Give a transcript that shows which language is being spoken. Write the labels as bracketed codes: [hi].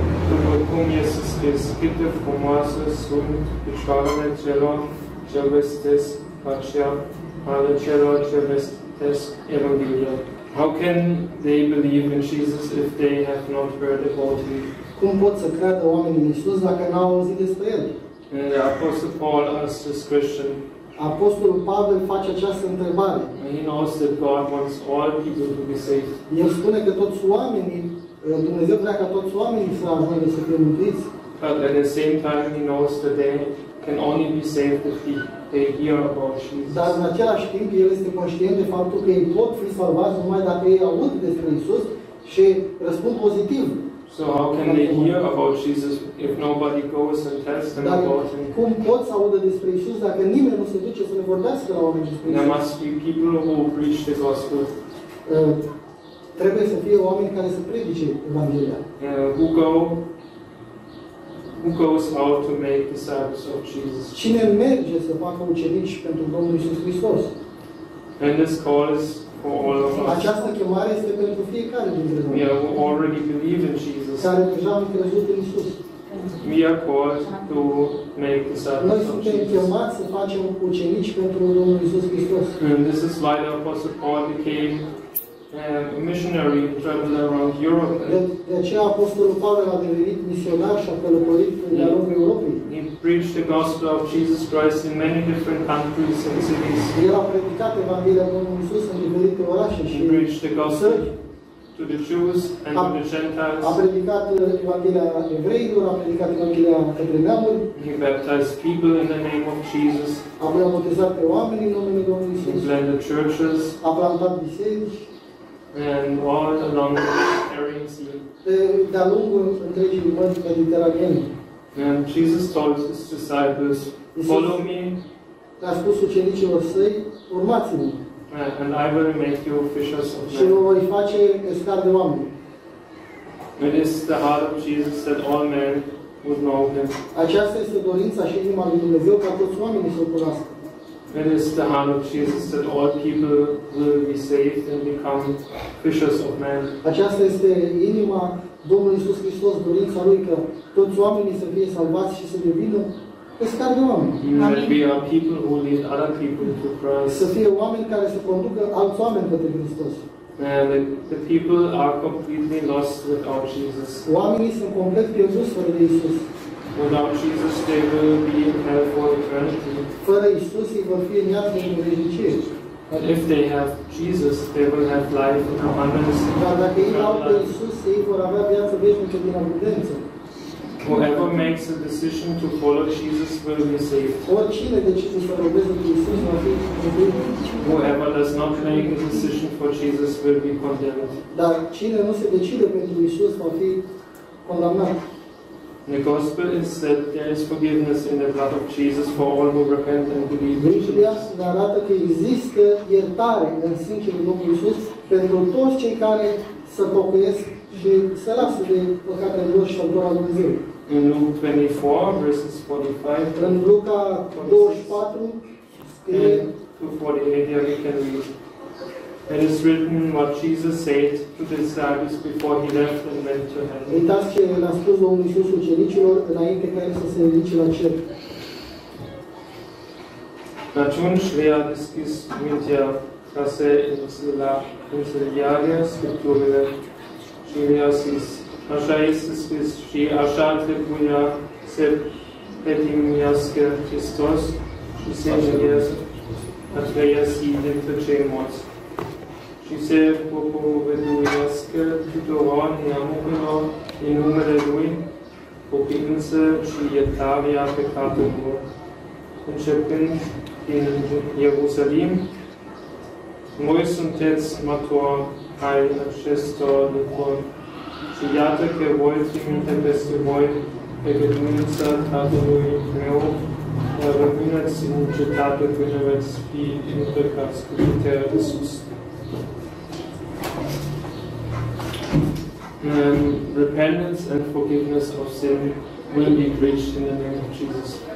[ro] După cum este scris, cât de frumoase sunt picioarele celor ce vestesc pacea ale celor ce vestesc Evanghelia. [en] How can they believe in Jesus if they have not heard about Him? [ro] Cum pot să creadă oamenii în Iisus dacă n-au auzit despre El? [en] And the Apostle Paul asks this question. [ro] Apostolul Pavel face această întrebare. [en] And he knows that God wants all people to be saved. [ro] El spune că toți oamenii, Dumnezeu vrea ca toți oamenii să ajungă să fie mântuiți. [en] But at the same time he knows that they can only be saved if they hear about Jesus. [ro] Dar în același timp el este conștient de faptul că ei pot fi salvați numai dacă ei aud despre Iisus și răspund pozitiv. [en] So how can they hear about Jesus if nobody goes and tells them about him? [ro] Cum pot să audă despre Isus dacă nimeni nu se duce să le vorbească la oameni despre Isus? [en] There must be people who preach the gospel. [ro] Trebuie să fie oameni care să predice Evanghelia. [en] Who goes out to make disciples of Jesus? [ro] Cine merge să facă ucenici pentru Domnul Isus Hristos? [en] And this call is for all of us. [ro] Această chemare este pentru fiecare dintre noi. [en] We have already believed in Jesus. [ro] Care deja am crezut în Iisus. [en] We are called to make disciples. [ro] Noi suntem chemați să facem ucenici pentru Domnul Iisus Hristos. [en] And this is why the Apostle Paul became a missionary traveling around Europe. [ro] De aceea Apostolul Pavel a devenit misionar și a călătorit în lumea Europei. [en] He preached the gospel of Jesus Christ in many different countries and cities. [ro] El a predicat Evanghelia Domnului Iisus în diferite orașe și [en] preached the gospel to the Jews and to the Gentiles. [ro] A predicat Evanghelia evreilor, a predicat Evanghelia către neamuri. [en] He baptized people in the name of Jesus. [ro] A botezat pe oameni în numele Domnului Iisus. [en] He planted churches. [ro] A plantat biserici. [en] And all along the Aegean Sea. [ro] De-a lungul întregii mări mediteraneene. [en] And Jesus told his disciples, follow me. [ro] A spus ucenicilor săi, urmați-mă. [en] And I will make you fishers of men. [ro] Și vă voi face pescari de oameni. [en] It is the heart of Jesus that all men would know him. [ro] Aceasta este dorința și inima lui Dumnezeu ca toți oamenii să-L cunoască. [en] It is the heart of Jesus that all people will be saved and become fishers of men. [ro] Aceasta este inima Domnului Iisus Hristos, dorința Lui că toți oamenii să fie salvați și să devină pescari de oameni. Amin. [en] We are people who lead other people to Christ. [ro] Să fie oameni care să conducă alți oameni către Hristos. [en] And the people are completely lost without Jesus. [ro] Oamenii sunt complet pierduți fără de Iisus. [en] Without Jesus, they will be in hell for eternity. [ro] Fără Iisus, ei vor fi în iad pentru veșnicie. [en] If they have Jesus, they will have life in abundance. [ro] Dar dacă ei au pe Iisus, ei vor avea viață veșnică din abundență. [en] Whoever makes a decision to follow Jesus will be saved. [ro] Oricine decide să urmeze pe Iisus va fi mântuit. [en] Whoever does not make a decision for Jesus will be condemned. [ro] Dar cine nu se decide pentru Iisus va fi condamnat. [en] The gospel is that there is forgiveness in the blood of Jesus for all who repent and believe. [ro] Biblia ne arată că există iertare în sângele Domnului Iisus pentru toți cei care se pocăiesc și se lasă de păcatele lor și adoră Dumnezeu. [en] In Luke 24, verses 45. [ro] În Luca 24, [en] to 48, here we can read. It is written what Jesus said to the disciples before he left and went to heaven. [ro] Uitați ce a spus Domnul Iisus ucenicilor înainte ca el să se ridice la cer. Atunci le-a deschis mintea ca să înțeleagă Scripturile și le-a zis, așa este scris și așa trebuia să petimiască Hristos și să înțeleagă a treia zi dintre cei morți. Și se propovăduiască tuturor neamurilor din numele Lui, pocăință și iertarea păcatelor. Începând din Ierusalim, voi sunteți mărturii ai acestor lucruri. Și iată că voi trimite peste voi păcăduința Tatălui meu, dar rămâneți în cetate când veți fi împăcați cu puterea de sus. [en] Repentance and forgiveness of sin will be preached in the name of Jesus.